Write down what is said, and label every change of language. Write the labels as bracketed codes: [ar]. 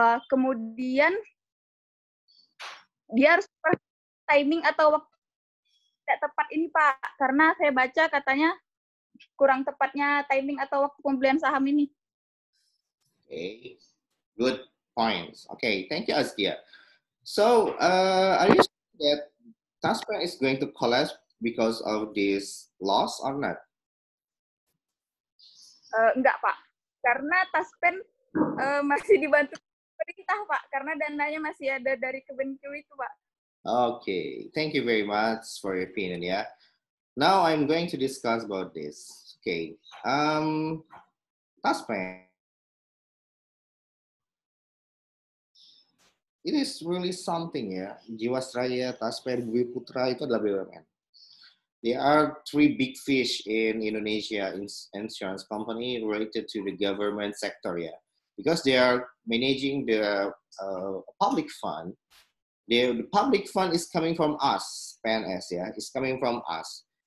[id] Kemudian dia harus timing atau waktu tidak tepat ini Pak, karena saya baca katanya kurang tepatnya timing atau waktu pembelian saham ini. [en] Okay, good points. Okay, thank you Azkia. So, are you saying that Tasman is going to collapse because of this loss or not? [id] Enggak Pak, karena Tasman masih dibantu pemerintah Pak, karena dananya masih ada dari Kemenkyu itu Pak. [en] Okay, thank you very much for your opinion, yeah. Now I'm going to discuss about this. Okay. Tasman. It is really something, yeah. [id] Jiwasraya, Tasman, Bumi Putra, itu adalah BUMN. [en] There are three big fish in Indonesia insurance company related to the government sector, yeah. Because they are managing the public fund. The public fund is coming from us, PNS, yeah, it's coming from us.